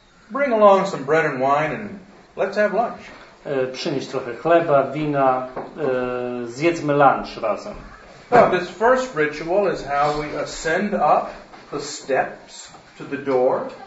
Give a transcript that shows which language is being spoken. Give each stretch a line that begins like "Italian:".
English: Bring along some bread and wine and let's have lunch.
Polish: Przynieś trochę chleba, wina, zjedzmy lunch razem.
English: Well, this first ritual is how we ascend up the steps to the door.